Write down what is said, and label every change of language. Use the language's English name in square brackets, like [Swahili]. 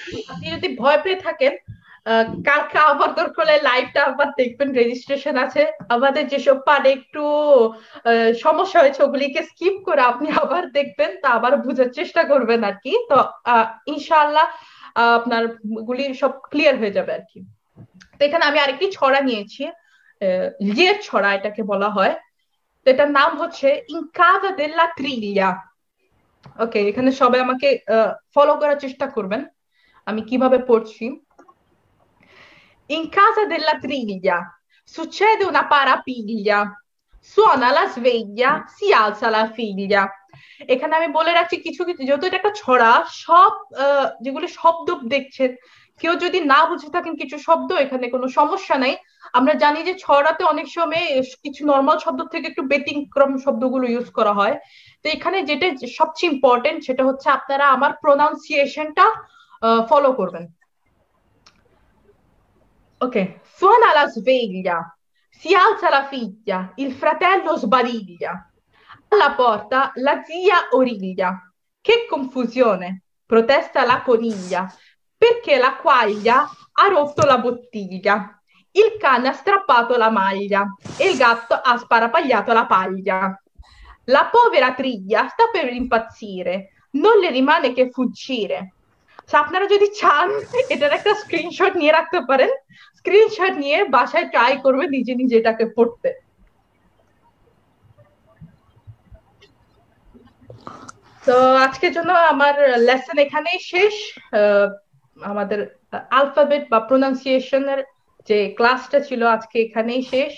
[Bangla] আপনি যদি ভয় পেয়ে থাকেন, কালকে আবার দরকার লাইভটা আবার দেখবেন, রেজিস্ট্রেশন আছে, আমাদের যেসব পার্ট একটু সমস্যা হয়েছে ওগুলিকে স্কিপ করে আপনি আবার দেখবেন, তা আবার বোঝার চেষ্টা করবেন আর কি, তো ইনশাল্লাহ আপনার গুলি সব ক্লিয়ার হয়ে যাবে আর কি। তো এখানে আমি আরেকটি ছড়া নিয়েছি, লিয়ের ছড়া এটাকে বলা হয়, তো এটার নাম হচ্ছে ইনকাজ দেলা ত্রিলিয়া। ওকে, এখানে সবাই আমাকে ফলো করার চেষ্টা করবেন আমি কিভাবে পড়ছি। [Italian] In casa della triglia succede una parapiglia, suona la sveglia, si alza la figlia. [Bangla] এখানে আমি বলে রাখছি কিছু কিছু, যেহেতু এটা একটা ছড়া, সব যেগুলো শব্দ দেখছেন, কেউ যদি না বুঝে থাকেন কিছু শব্দ এখানে কোনো সমস্যা নাই, আমরা জানি যে ছড়াতে অনেক সময় কিছু নর্মাল শব্দ থেকে একটু ব্যতিক্রম শব্দগুলো ইউজ করা হয়, তো এখানে যেটা সবচেয়ে ইম্পর্টেন্ট সেটা হচ্ছে আপনারা আমার প্রোনাউন্সিয়েশনটা ফলো করবেন। [Italian] Ok, suona la sveglia, si alza la figlia, il fratello sbadiglia. Alla porta la zia origlia. Che confusione, protesta la coniglia, perché la quaglia ha rotto la bottiglia. Il cane ha strappato la maglia e il gatto ha sparapagliato la paglia. La povera triglia sta per impazzire, non le rimane che fuggire. [Bangla] আপনারা যদি চান এটার একটা screenshot নিয়ে রাখতে পারেন, screenshot নিয়ে বাসায় ট্রাই করবে নিজে নিজে এটাকে পড়তে। তো আজকের জন্য আমার লেসন এখানেই শেষ, আমাদের আলফাবেট বা প্রোনাউন্সিয়েশনের যে ক্লাসটা ছিল আজকে এখানেই শেষ।